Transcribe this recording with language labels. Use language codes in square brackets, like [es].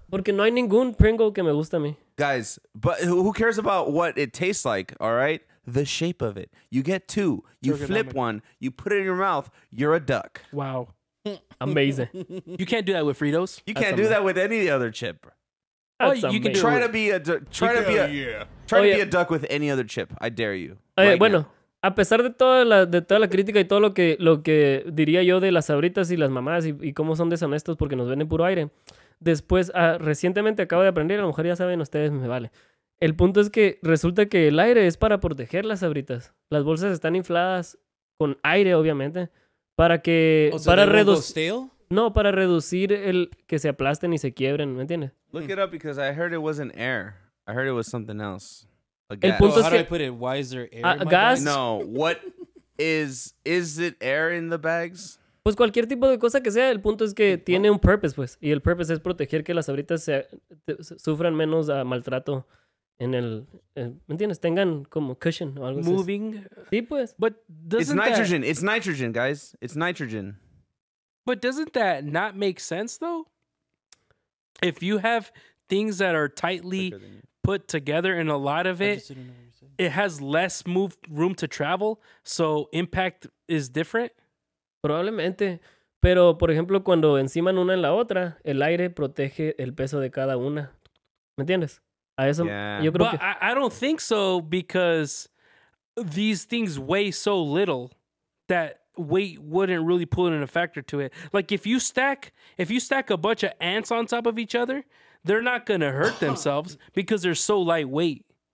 [es] Porque no hay ningún Pringle que me gusta a mí. [en] Guys, but who cares about what it tastes like, all right? The shape of it. You get two. You flip one. You put it in your mouth. You're a duck. Wow. Amazing. You can't do that with Fritos. You can't do that with any other chip. You can try to be a try to be a duck with any other chip. I dare you. [es] A pesar de toda la crítica y todo lo que diría yo de las Sabritas y las mamás y cómo son deshonestos porque nos venden puro aire, después, recientemente acabo de aprender, a lo mejor ya saben ustedes, me vale. El punto es que resulta que el aire es para proteger las Sabritas. Las bolsas están infladas con aire, obviamente, para que... No, para reducir el que se aplasten y se quiebren, ¿me entiendes? [en] Look it up because I heard it wasn't air. I heard it was something else. [es] El punto [en] how do I put it? Why is there air in gas? No, what is it air in the bags? [es] Pues cualquier tipo de cosa que sea, el punto es que tiene un purpose, pues. Y el purpose es proteger que las Sabritas sufran menos a maltrato en el... ¿Me entiendes? Tengan como cushion o algo así. [en] Moving. [es] Sí, pues. [en] But it's nitrogen. It's nitrogen, guys. It's nitrogen. But doesn't that not make sense, though? If you have things that are tightly... put together in a lot of it, it has less room to travel, so impact is different. [es] Probablemente, pero por ejemplo cuando encima una en la otra, el aire protege el peso de cada una. ¿Me entiendes? A eso yo creo [en] but I don't think so because these things weigh so little that weight wouldn't really pull in a factor to it. Like if you stack a bunch of ants on top of each other, they're not gonna hurt themselves because they're so lightweight.